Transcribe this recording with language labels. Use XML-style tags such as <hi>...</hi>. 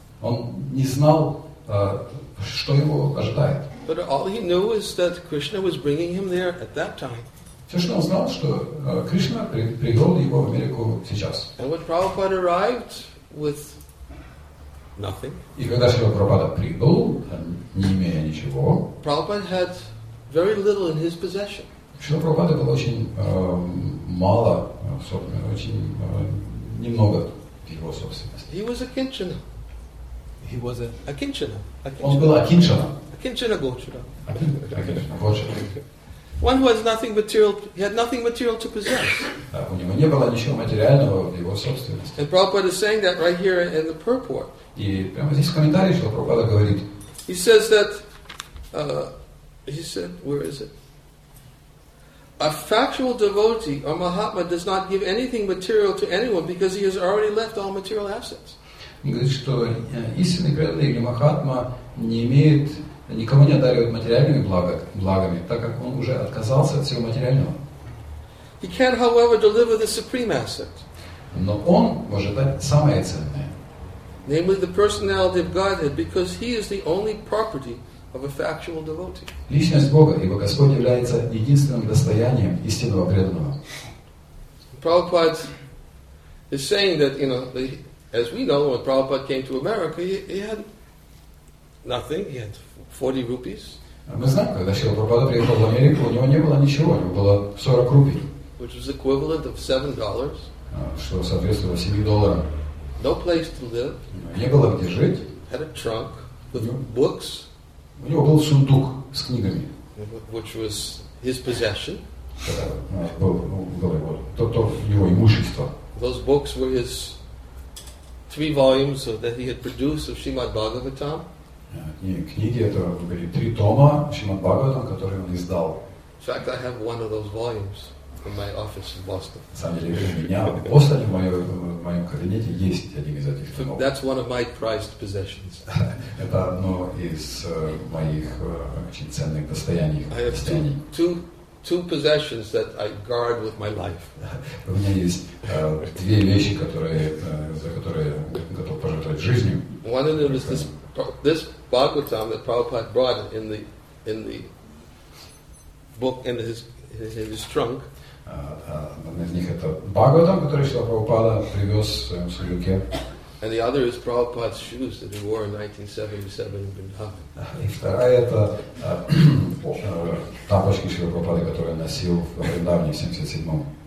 <ru>Он не знал, что его ожидает.</ru> <en>But all he knew is that Krishna was bringing him there at that time.</en> <ru>Все, что он знал, что Кришна привел его в Америку сейчас.</ru> <en>And when Prabhupada arrived with nothing.</en> <ru>И когда Шрила Прабхупада прибыл, не имея ничего.</ru> <en>Prabhupada had very little in his possession.</en> <ru>Шрила Прабхупада был очень мало, очень немного его собственности.</ru> <en>He was a kinchana. He was a kinchana.</en> <ru>Он был акинчана.</ru> <sa>Акинчана гочара. Гочара.</sa> <en>One who has nothing material, he had nothing material to possess.</en> <ru>У него не было ничего материального в его собственности.</ru> <en>And Prabhupada is saying that right here in the purport.</en> <ru>И прямо здесь в комментарии, что Прабхупада говорит.</ru> <en>He says that, he said, where is it? A factual devotee or Mahatma does not give anything material to anyone because he has already left all material assets.</en> <ru>Он говорит, что истинный преданный или Махатма не имеет, никому не одаривает материальными благами, так как он уже отказался от всего материального.</ru> <en>He can, however, deliver the supreme asset.</en> <ru>Но он может дать самое ценное.</ru> <en>Namely, the personality of Godhead, because he is the only property of a factual devotee.</en> <ru>Личность Бога, ибо Господь является единственным достоянием истинного преданного.</ru> <en>Prabhupada is saying that, you know, as we know, when Prabhupada came to America, he had nothing, he had 40 rupees.</en> <ru>Мы знаем, когда Шрила Прабхупада приехал в Америку, у него не было ничего, у него было 40 рупий.</ru> <en>Which was equivalent of $7.</en> <ru>Что соответствовало $7.</ru> <en>No place to live.</en> <ru>Не было где жить.</ru> <en>Had a trunk with books.</en> <ru>У него был сундук с книгами.</ru> <en>Which was his possession.</en> <ru>То его имущество.</ru> <en>Those books were his 3 volumes that he had produced of Srimad Bhagavatam.</en> <ru>Книги это были 3 тома Шримад Бхагаватам, которые он издал.</ru> <en>In fact, I have one of those volumes in my office in Boston.</en> <ru>На самом деле, у меня в Бостоне, в моем кабинете есть один из этих томов.</ru> <en>That's one of my prized possessions.</en> <ru>Это одно из моих очень ценных достояний.</ru> <en>I have two possessions that I guard with my life.</en> <ru>У меня есть 2 вещи, за которые я готов пожертвовать жизнью.</ru> <en>One of them is this Bhagavatam that Prabhupada brought in the book in his trunk.</en> <ru>Одна из них это Бхагаватам, который Шрила Прабхупада привез в своем сундуке.</ru> <en>And the other is Prabhupada's shoes that he wore in 1977 in Vrindavan.</en> <ru>И вторая это тапочки Шрила Прабхупады, которые носил в Вриндаване в 77-м.</ru>